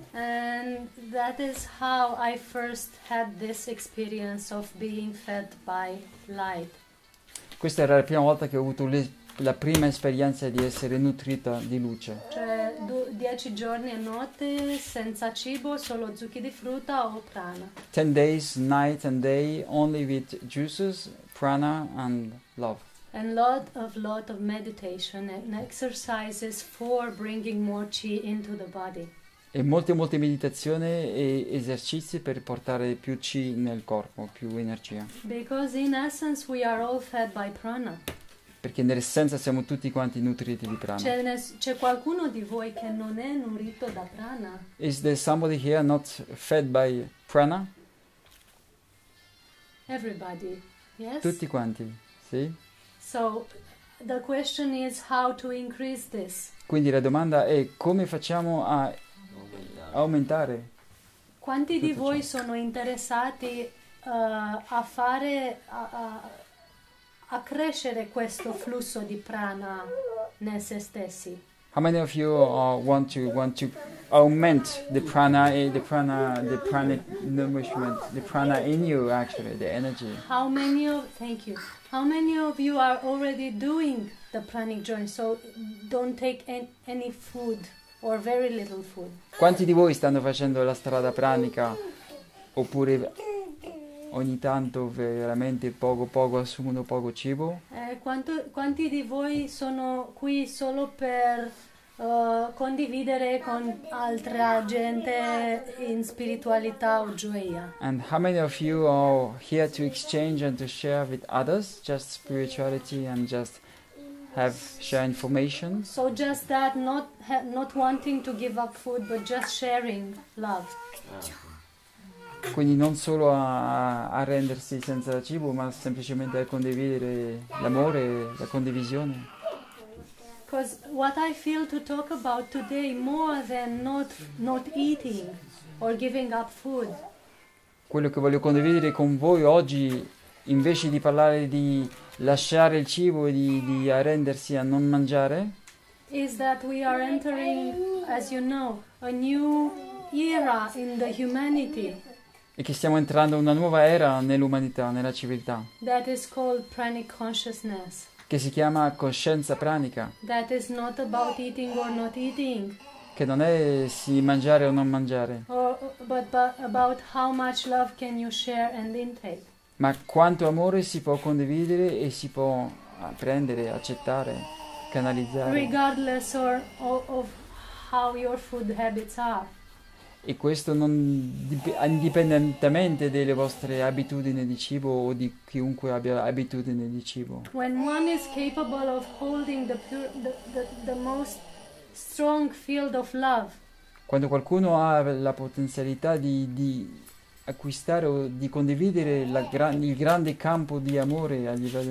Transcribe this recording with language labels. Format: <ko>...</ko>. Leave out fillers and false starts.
<en>And that is how I first had this experience of being fed by light.</en> <it>Questa era la prima volta che ho avuto la prima esperienza di essere nutrita di luce. Cioè, 10 giorni e notte senza cibo, solo zucchi di frutta o prana.</it> <en>10 days, night and day, only with juices, prana and love. And lot of meditation and exercises for bringing more chi into the body.</en> <it>E molte meditazioni e esercizi per portare più chi nel corpo, più energia.</it> <en>Because in essence we are all fed by prana.</en> <it>Perché nell'essenza siamo tutti quanti nutriti di prana. C'è qualcuno di voi che non è nutrito da prana?</it> <en>Is there somebody here not fed by prana? Everybody, yes?</en> <it>Tutti quanti, sì?</it> <en>So the question is how to increase this?</en> <it>Quindi la domanda è come facciamo a aumentare Quanti di tutto ciò? voi sono interessati a crescere questo flusso di prana nel se stessi?</it> <en>How many of you want to augment the prana nourishment, the prana in you actually, the energy? How many of, thank you. How many of you are already doing the pranic journey? So don't take any food or very little food.</en> <it>Quanti di voi stanno facendo la strada pranica oppure ogni tanto veramente poco assumono poco cibo? Quanti di voi sono qui solo per condividere con altra gente in spiritualità o gioia?</it> <en>And how many of you are here to exchange and to share with others, just spirituality and just have share information? So just that, not wanting to give up food, but just sharing love.</en> <it>Quindi non solo a rendersi senza cibo, ma semplicemente a condividere l'amore, la condivisione.</it> <en>Because what I feel to talk about today, more than not eating or giving up food,</en> <it>Quello che voglio condividere con voi oggi, invece di parlare di lasciare il cibo e di arrendersi a non mangiare,</it> <en>is that we are entering, as you know, a new era in the humanity</en> <it>è che stiamo entrando in una nuova era nell'umanità, nella civiltà,</it> <en>that is called pranic consciousness.</en> <it>che si chiama coscienza pranica,</it> <en>That is not about eating or not eating.</en> <it>che non è sì mangiare o non mangiare,</it> <en>But about how much love can you share and intake.</en> <it>ma quanto amore si può condividere e si può prendere, accettare, canalizzare.</it> <en>Regardless of how your food habits are.</en> <it>E questo non indipendentemente dalle vostre abitudini di cibo o di chiunque abbia abitudini di cibo.</it> <en>When one is capable of holding the most strong field of love.</en> <it>Quando qualcuno ha la potenzialità di acquistare o di condividere il grande campo di amore a livello</it>